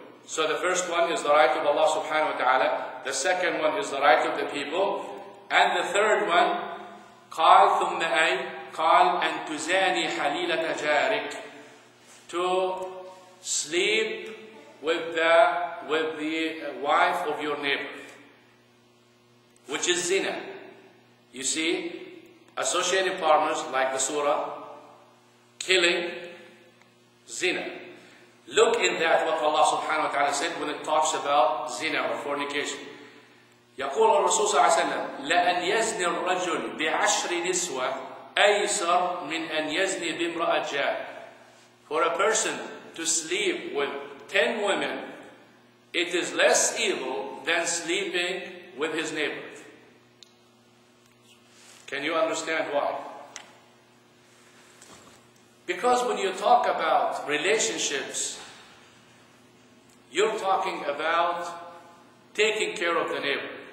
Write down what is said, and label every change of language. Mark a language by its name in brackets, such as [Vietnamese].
[English] So the first one is the right of Allah subhanahu wa ta'ala, the second one is the right of the people, and the third one, [Arabic] قال ثم أي قال أن تزاني حليلة جارك, [English] to sleep with the wife of your neighbor, which is zina. You see, associated partners like the surah, killing, zina. Look in that what Allah subhanahu wa ta'ala said when it talks about zina or fornication. [Arabic] يقول الرسول صلى الله عليه وسلم لأن يزني الرجل بعشر نسوة أيسر من أن يزني بامرأة جار. [English] For a person to sleep with 10 women, it is less evil than sleeping with his neighbor. Can you understand why? Because when you talk about relationships, you're talking about taking care of the neighbor.